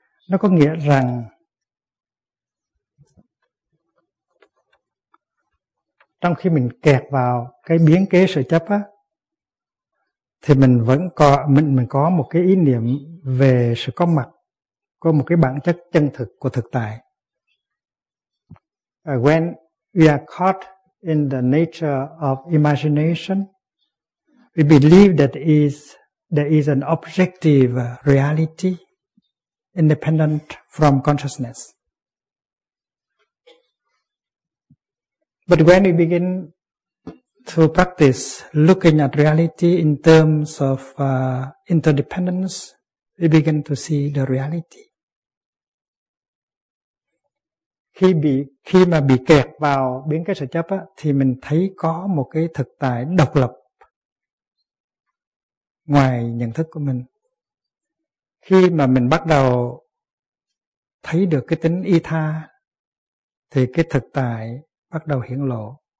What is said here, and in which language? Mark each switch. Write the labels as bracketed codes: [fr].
[vi] Nó có nghĩa rằng trong khi mình kẹt vào cái biến kế sự chấp á, thì mình vẫn có, mình có một cái ý niệm về sự có mặt, có một cái bản chất chân thực của thực tại. [en] When we are caught in the nature of imagination, we believe that there is an objective reality independent from consciousness. But when we begin to practice looking at reality in terms of interdependence, we begin to see the reality. [vi] khi mà bị kẹt vào biến cái sở chấp á, thì mình thấy có một cái thực tại độc lập ngoài nhận thức của mình. Khi mà mình bắt đầu thấy được cái tính y tha thì cái thực tại bắt đầu hiển lộ.